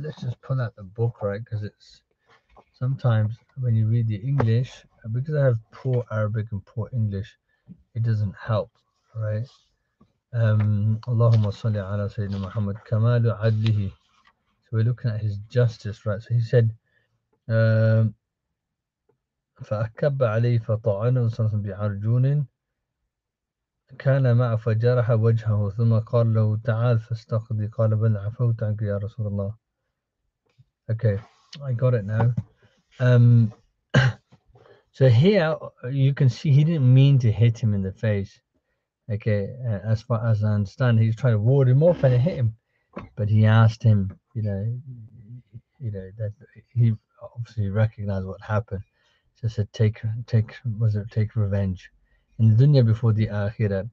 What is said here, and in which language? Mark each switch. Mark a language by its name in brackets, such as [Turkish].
[English] Let's just pull out the book, right? Because it's sometimes when you read the English, because I have poor Arabic and poor English, it doesn't help, right? [Arabic] Allahumma salli ala Sayyidina Muhammad. Kamalu adlihi. [English] So we're looking at His justice, right? [Arabic] So he said, فأكب عليه فطعنه صلى الله عليه وسلم كان معه فجرح وجهه ثم قال له تعال فاستقضي قال بل عفوت عنك يا رسول الله. [English] Okay, I got it now. So here you can see he didn't mean to hit him in the face. Okay, as far as I understand, he was trying to ward him off and it hit him, but he asked him, you know, that he obviously recognize what happened. So said, take revenge in the dunya before the akhirah.